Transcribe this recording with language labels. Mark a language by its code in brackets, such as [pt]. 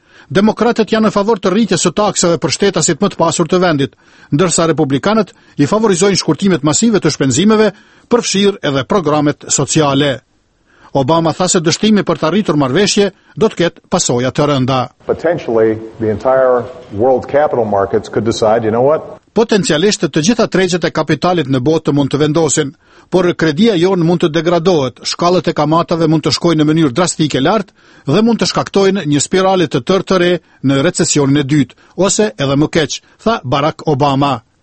[sq] Demokratët janë në favor të rritjes së taksave për shtetasit më të pasur të vendit, ndërsa republikanët i favorizojnë shkurtimet masive të shpenzimeve, përfshirë edhe programet sociale. Obama tha se dështimi për të arritur marrëveshje do të ketë pasoja të rënda. [en] Potentially, the entire world capital markets could decide, you know what? [sq] Potencialisht të gjitha tregjet e kapitalit në botë mund të vendosin, por kredia jonë mund të degradohet, shkallët e kamatave mund të shkojnë në mënyrë drastike lartë dhe mund të shkaktojnë një spiralë të tërë të re në recesionin e dytë, ose edhe më keq, tha Barack Obama.